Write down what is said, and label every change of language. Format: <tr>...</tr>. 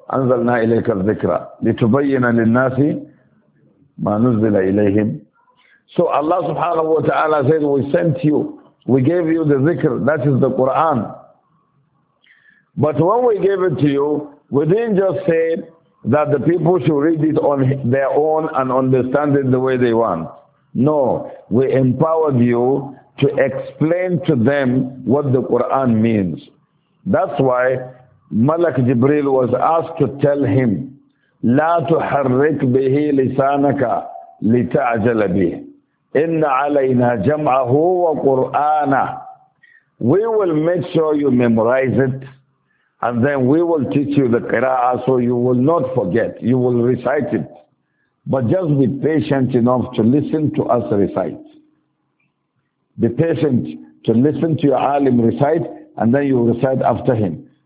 <ar>أنزلنا إليك الذكرى لتبين للناس ما نزل إليهم.</ar> <en>So Allah subhanahu wa ta'ala said, we sent you, we gave you the dhikr, that is the Quran. But when we gave it to you, we didn't just say that the people should read it on their own and understand it the way they want. No, we empowered you to explain to them what the Quran means. That's why Malak Jibril was asked to tell him,</en> <ar>لا تحرك به لسانك لتعجل به إن علينا جمعه وقرآن.</ar> <en>We will make sure you memorize it and then we will teach you the qira'ah so you will not forget, you will recite it. But just be patient enough to listen to us recite. Be patient to listen to your alim recite and then you recite after him.</en>